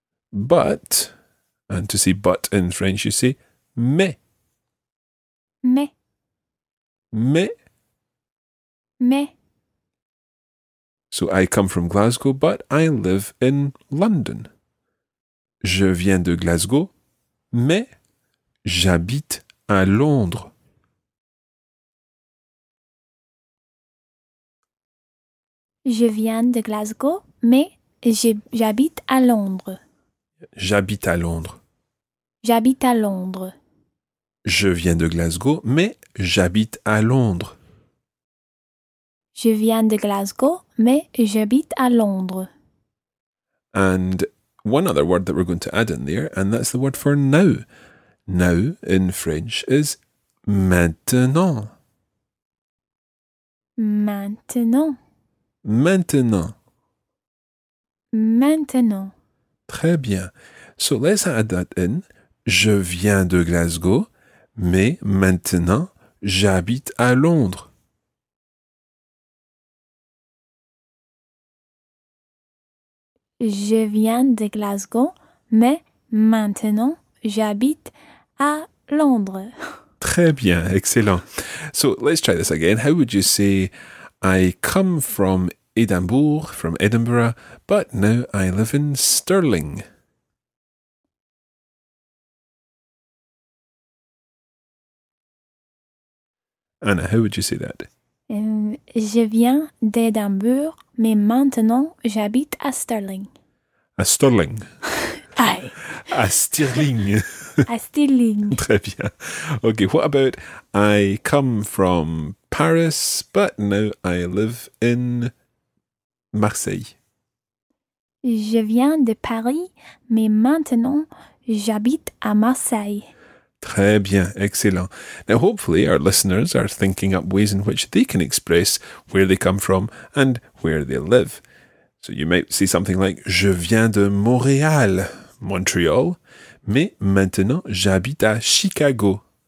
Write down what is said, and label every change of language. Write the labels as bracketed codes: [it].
[en] But, and to say but in French, you say mais. [fr] Mais. Mais. Mais. [en] So I come from Glasgow, but I live in London. [fr] Je viens de Glasgow, mais j'habite à Londres. Je viens de Glasgow, mais j'habite à Londres. J'habite à Londres. J'habite à Londres. Je viens de Glasgow, mais j'habite à Londres. Je viens de Glasgow, mais j'habite à Londres. [en] And one other word that we're going to add in there, and that's the word for now. Now in French is maintenant. [fr] Maintenant. Maintenant. Maintenant. Très bien. [en] So let's add that in. [fr] Je viens de Glasgow, mais maintenant j'habite à Londres. Je viens de Glasgow, mais maintenant j'habite à Londres. Très bien, excellent. [en] So let's try this again. How would you say, I come from Edinburgh, but now I live in Stirling? Anna, how would you say that? [fr] Je viens d'Edinburgh, mais maintenant j'habite à Stirling. À Stirling. [en] Aye. [fr] À Stirling. À Stirling. Très bien. [en] Okay, what about I come from Paris, but now I live in Marseille. [fr] Je viens de Paris, mais maintenant j'habite à Marseille. Très bien, excellent. [en] Now, hopefully, our listeners are thinking up ways in which they can express where they come from and where they live. So you might say something like, [fr] je viens de Montréal, Montreal, mais maintenant j'habite à Chicago.